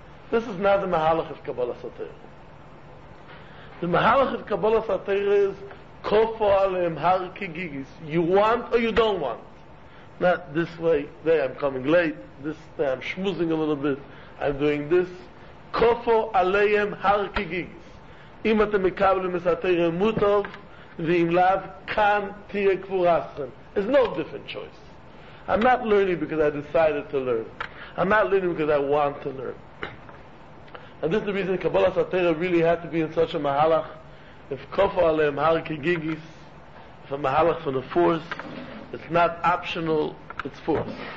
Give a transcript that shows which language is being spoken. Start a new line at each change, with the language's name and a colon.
English: This is not the Mahalach of Kabbalah Satoru. The Mahalach of Kabbalah Satoru is
Hebrew: Kofo Alem Har Kigigis.
English: You want or you don't want. Not this way, day I'm coming late, this day I'm schmoozing a little bit, I'm doing this.
Hebrew: Kofo Aleim Har Kigigis. אם אתם מקבלים את התורה מוטוב, ואם לאו, כאן תהיה קבורתכם.
English: It's no different choice. I'm not learning because I decided to learn. I'm not learning because I want to learn. And this is the reason Kabbalah Satera really had to be in such a mahalach. If
Hebrew: kofo alem har kigigis,
English: if a mahalach from the force, it's not optional, it's force.